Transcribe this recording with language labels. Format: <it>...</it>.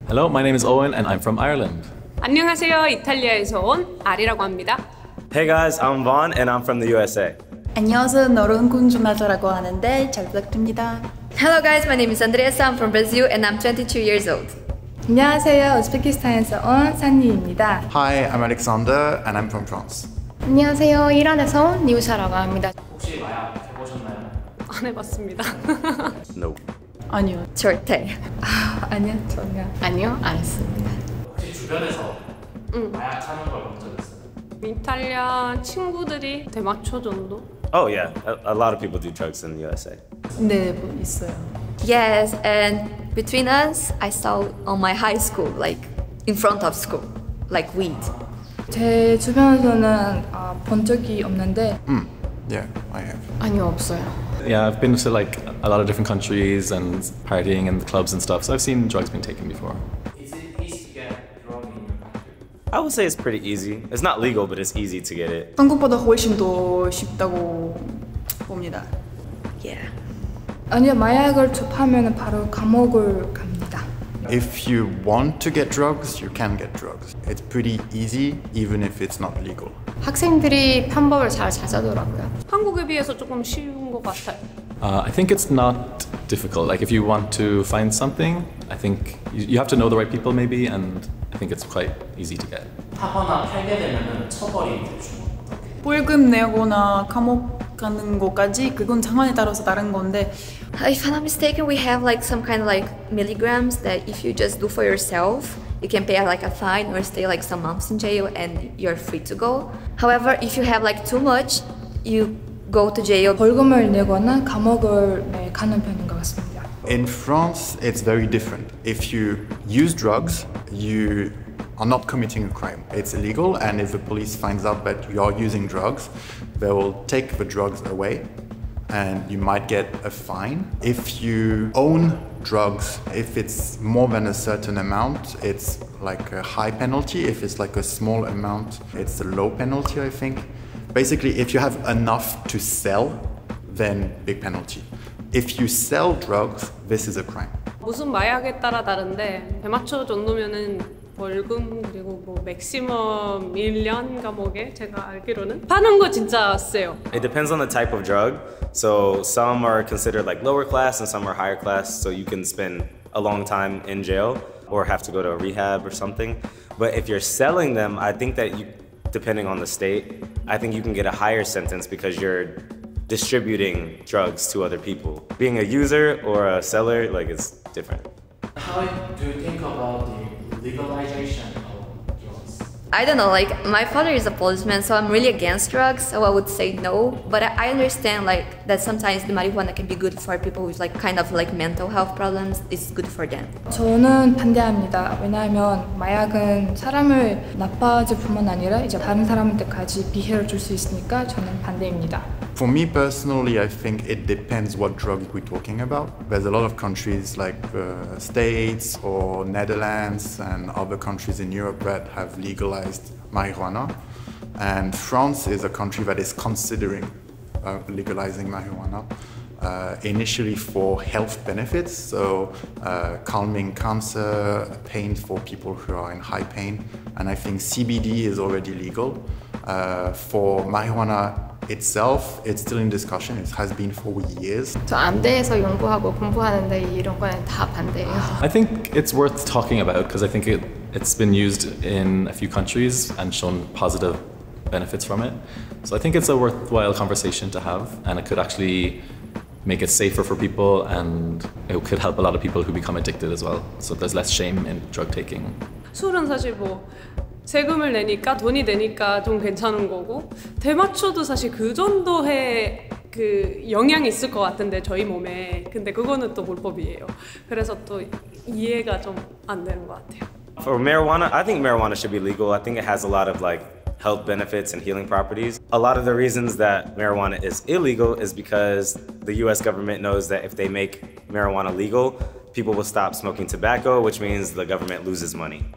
<en>Hello, my name is Owen and I'm from Ireland.</en> <ko>안녕하세요. 이탈리아에서 온 아리라고 합니다.</ko> <en>Hey guys, I'm Vaughn and I'm from the USA.</en> <ko>안녕하세요. 노르운 군주마저라고 하는데 잘 부탁드립니다.</ko> <en>Hello guys, my name is Andreas. I'm from Brazil and I'm 22 years old.</en> <ko>안녕하세요. 우즈베키스탄에서 온 산유입니다.</ko> <en>Hi, I'm Alexander and I'm from France.</en> <ko>안녕하세요. 이란에서 온 니우샤라고 합니다. 혹시 마약 해보셨나요? 안 해봤습니다.</ko> <en>No.</en> <ko>아니요. 절대. 아니요. 전혀. 아니요. 안 했습니다. 혹시 주변에서 마약 찾는 걸 본 적 있어요? 이탈리아 친구들이 대마초 정도?</ko> <en>Oh yeah. A lot of people do drugs in the USA.</en> <ko>네, 뭐 있어요.</ko> <en>Yes, and between us, I saw on my high school, like in front of school, like weed.</en> <ko>제 주변에서는 본 적이 없는데.</ko> <en>Yeah, I have.</en> <ko>아니요, 없어요.</ko> <en>Yeah, I've been to like a lot of different countries and partying in the clubs and stuff. So I've seen drugs being taken before. Is it easy to get drugs in your country? I would say it's pretty easy. It's not legal, but it's easy to get it.</en> <ko>한국보다 훨씬 더 쉽다고 봅니다.</ko> <en>Yeah.</en> <ko>아니요, 마약을 접하면 바로 감옥을 갑니다.</ko> <en>If you want to get drugs, you can get drugs. It's pretty easy, even if it's not legal.</en> <ko>학생들이 편법을 잘 찾아더라고요. 한국에 비해서 조금 쉬운 것 같아요.</ko> <en>I think it's not difficult. Like if you want to find something, I think you have to know the right people maybe, and I think it's quite easy to get.</en> <ko>하거나 팔게 되면 처벌이 되죠. 벌금 내거나 감옥 가는 것까지 그건 상황에 따라서 다른 건데.</ko> <en>If I'm not mistaken, we have like some kind of like milligrams that if you just do for yourself, you can pay like a fine or stay like some months in jail and you're free to go. However, if you have like too much, you go to jail.</en> <ko>벌금을 내거나 감옥을 가는 편인 것 같습니다.</ko> <en>In France, it's very different. If you use drugs, you are not committing a crime. It's illegal, and if the police finds out that you are using drugs, they will take the drugs away, and you might get a fine. If you own drugs, if it's more than a certain amount, it's like a high penalty. If it's like a small amount, it's a low penalty, I think. Basically, if you have enough to sell, then big penalty. If you sell drugs, this is a crime.</en> <ko>무슨 마약에 따라 다른데 대마초 정도면은 벌금 그리고 뭐 맥시멈 1년 감옥에 제가 알기로는 파는 거 진짜 세요.</ko> <en>It depends on the type of drug. So some are considered like lower class and some are higher class. So you can spend a long time in jail or have to go to a rehab or something. But if you're selling them, I think that you, depending on the state, I think you can get a higher sentence because you're distributing drugs to other people. Being a user or a seller, like it's different. How do you think about the legalization of drugs? I don't know, like my father is a policeman, so I'm really against drugs, so I would say no. But I understand like that sometimes the marijuana can be good for people with like kind of like mental health problems. It's good for them.</en> <ko>저는 반대합니다. 왜냐하면 마약은 사람을 나빠질 뿐만 아니라 이제 다른 사람한테까지 피해를 줄 수 있으니까 저는 반대입니다.</ko> <en>For me personally, I think it depends what drug we're talking about. There's a lot of countries like the States or Netherlands and other countries in Europe that have legalized marijuana. And France is a country that is considering legalizing marijuana initially for health benefits, so calming cancer, pain for people who are in high pain. And I think CBD is already legal for marijuana itself, it's still in discussion. It has been for years. 저 안대에서 연구하고 공부하는데 이런 거는 다 반대예요. I think it's worth talking about because I think it's been used in a few countries and shown positive benefits from it. So I think it's a worthwhile conversation to have, and it could actually make it safer for people, and it could help a lot of people who become addicted as well. So there's less shame in drug taking.</en> <ko>술은 사실 뭐. 세금을 내니까 돈이 되니까 좀 괜찮은 거고 대마초도 사실 그 정도의 그 영향이 있을 것 같은데 저희 몸에 근데 그거는 또 불법이에요. 그래서 또 이해가 좀 안 되는 것 같아요.</ko> <en>For marijuana, I think marijuana should be legal. I think it has a lot of like health benefits and healing properties. A lot of the reasons that marijuana is illegal is because the U.S. government knows that if they make marijuana legal, people will stop smoking tobacco, which means the government loses money.</en>